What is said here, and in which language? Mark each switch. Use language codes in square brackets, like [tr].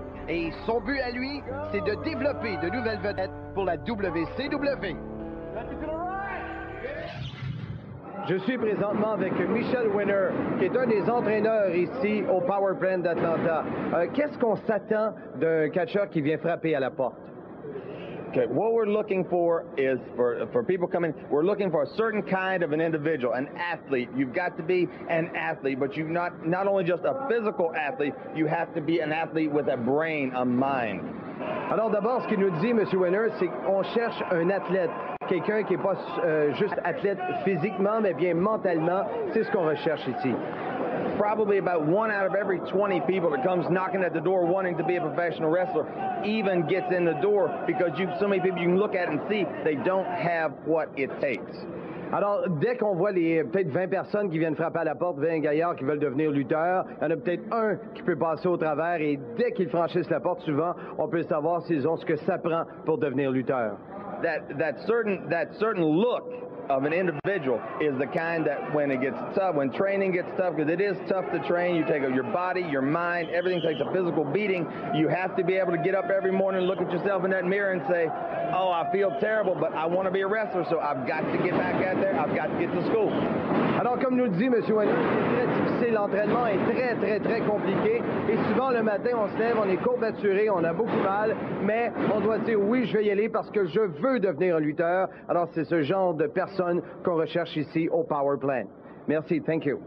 [fr] Et son but à lui, c'est de développer de nouvelles vedettes pour la WCW. Je suis présentement avec Michel Winner, qui est un des entraîneurs ici au Power Plant d'Atlanta. Qu'est-ce qu'on s'attend d'un catcheur qui vient frapper à la porte? [en] Okay, what we're looking for is for people coming, we're looking for a certain kind of an individual, an athlete. You've got to be an athlete, but you're not only just a physical athlete, you have to be an athlete with a brain, a mind. [fr] Alors d'abord, ce qu'il nous dit, M. Winner, c'est qu'on cherche un athlète, quelqu'un qui n'est pas juste athlète physiquement, mais bien mentalement. C'est ce qu'on recherche ici. [en] Probably about one out of every 20 people that comes knocking at the door wanting to be a professional wrestler even gets in the door because you've so many people you can look at and see they don't have what it takes. [fr] Alors, dès qu'on voit les peut-être 20 personnes qui viennent frapper à la porte, 20 gaillards qui veulent devenir lutteurs, il y en a peut-être un qui peut passer au travers et dès qu'ils franchissent la porte souvent, on peut savoir s'ils ont ce que ça prend pour devenir lutteur. [en] That certain look of an individual is the kind that when it gets tough, when training gets tough, because it is tough to train, you take your body, your mind, everything takes a physical beating. You have to be able to get up every morning, look at yourself in that mirror and say, oh, I feel terrible, but I want to be a wrestler, so I've got to get back out there, I've got to get to school. [fr] Alors, comme nous dit M. Wagner, c'est très difficile, l'entraînement est très, très, très compliqué, et souvent le matin, on se lève, on est courbaturé, on a beaucoup mal, mais on doit dire, oui, je vais y aller parce que je veux devenir un lutteur. Alors, c'est ce genre de personne qu'on recherche ici au Power Plant. Merci, [en] thank you.